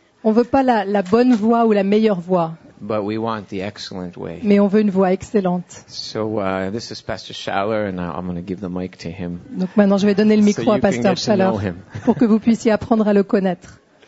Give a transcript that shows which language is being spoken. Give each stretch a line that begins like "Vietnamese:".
French: On veut pas la bonne voie ou la meilleure voie.
English: But we want the excellent way.
French: Mais on veut une voie excellente.
English: So this is Pastor Schaller, and I'm going to give the mic to him.
French: Donc maintenant je vais donner le micro à Pastor Schaller pour que vous puissiez apprendre à le connaître.